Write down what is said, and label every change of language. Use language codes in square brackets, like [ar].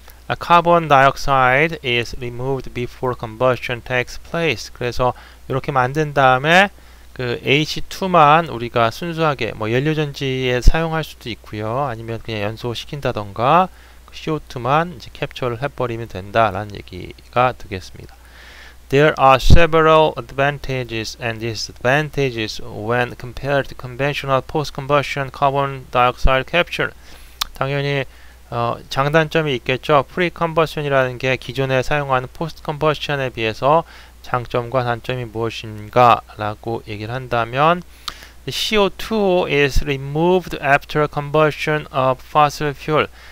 [en] A carbon dioxide is removed before combustion takes place. [ko] 그래서 이렇게 만든 다음에 그 H2만 우리가 순수하게 뭐 연료전지에 사용할 수도 있고요. 아니면 그냥 연소시킨다던가 CO2만 이제 캡처를 해버리면 된다 라는 얘기가 되겠습니다. [en] There are several advantages and disadvantages when compared to conventional post-combustion carbon dioxide capture. [ko] 당연히 장단점이 있겠죠. Pre-combustion이라는 게 기존에 사용하는 post-combustion에 비해서 장점과 단점이 무엇인가 라고 얘기를 한다면 [en] CO2 is removed after combustion of fossil fuel.